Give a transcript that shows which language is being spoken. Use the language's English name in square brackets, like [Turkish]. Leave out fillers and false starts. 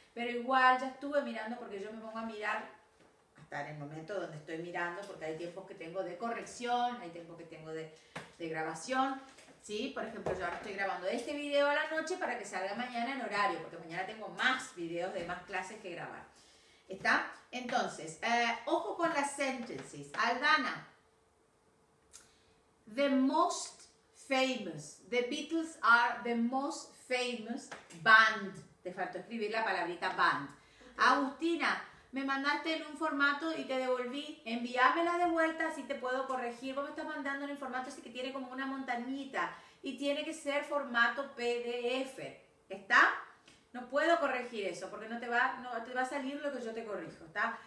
[Spanish] Pero igual ya estuve mirando porque yo me pongo a mirar estar en el momento donde estoy mirando, porque hay tiempos que tengo de corrección, hay tiempos que tengo de grabación, ¿sí? Por ejemplo, yo ahora estoy grabando este video a la noche para que salga mañana en horario, porque mañana tengo más videos de más clases que grabar, ¿está? Entonces, ojo con las sentences. [English] Aldana, the most famous, the Beatles are the most famous band. [Spanish] Te faltó escribir la palabrita band. Agustina, me mandaste en un formato y te devolví. Envíamela de vuelta, así te puedo corregir. Vos me estás mandando en un formato así que tiene como una montañita y tiene que ser formato PDF. ¿Está? No puedo corregir eso porque no te va a salir lo que yo te corrijo, ¿está?